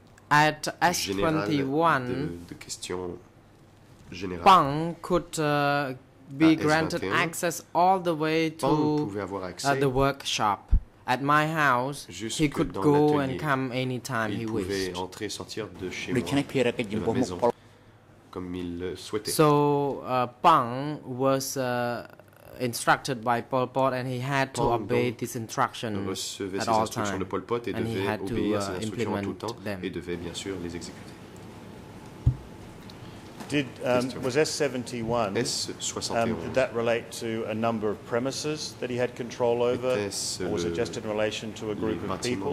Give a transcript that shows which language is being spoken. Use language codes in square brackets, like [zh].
[en] At S21, [fr] de questions générales. [en] Pang could be granted access all the way to the workshop. At my house, [fr] jusque [en] he could go [fr] l'atelier. [en] And come any time he wished. [fr] Il pouvait entrer et sortir de chez moi, de ma maison, comme il le souhaitait. [en] So, Pang was instructed by Pol Pot and he had Pang to obey this instruction at all times. [fr] De Pol Pot [en] and he had to implement [fr] tout temps [en] them. [fr] Et devait bien sûr les exécuter. [en] Was S71, did that relate to a number of premises that he had control over, or was it just in relation to a group of people?